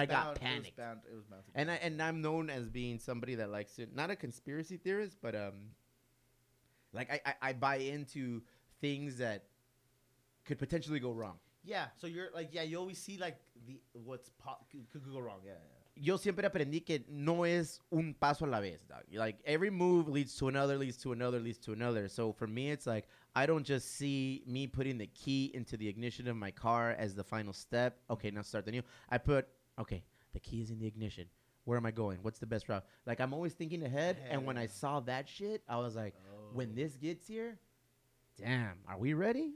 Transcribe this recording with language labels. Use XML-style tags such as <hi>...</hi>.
<en>I got panicked. And I'm known as being somebody that likes to, not a conspiracy theorist, but I buy into things that could potentially go wrong. Yeah. So you're like, you always see like the what's could go wrong. Yeah.</en> <es>yo siempre aprendí que no es un paso a la vez, dog.</es> <en>Like, every move leads to another, leads to another, leads to another. So for me, it's like, I don't just see me putting the key into the ignition of my car as the final step. Okay, now start the new. I put, okay, the key is in the ignition. Where am I going? What's the best route? Like, I'm always thinking ahead. Yeah. And when I saw that shit, I was like, oh, when this gets here, damn, are we ready?</en>